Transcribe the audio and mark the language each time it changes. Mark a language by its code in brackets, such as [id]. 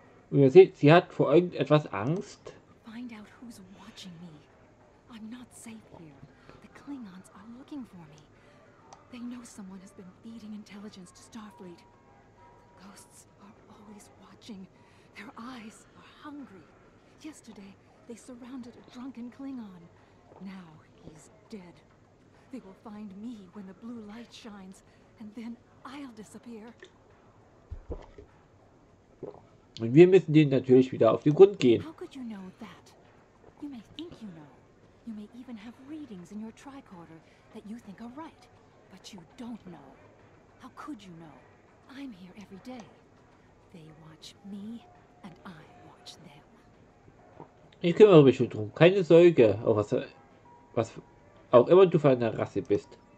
[de] Und ihr seht, sie hat vor irgendetwas Angst. [en] Find out who's watching me. I'm not safe here. The Klingons are looking for me. They know someone has been feeding intelligence to Starfleet. Ghosts are always watching. Their eyes are hungry. Yesterday they surrounded a drunken Klingon. Now he's dead. They will find me when the blue light shines, and then I'll disappear. [de] Und wir müssen denen natürlich wieder auf den Grund gehen. [en] How could you know that? You may think you know. You may even have readings in your tricorder that you think are right, but you don't know. How could you know? I'm here every day. They watch me and I watch them. [de] Ich kümmere mich schon drum. Keine Sorge, auch was auch immer du für eine Rasse bist.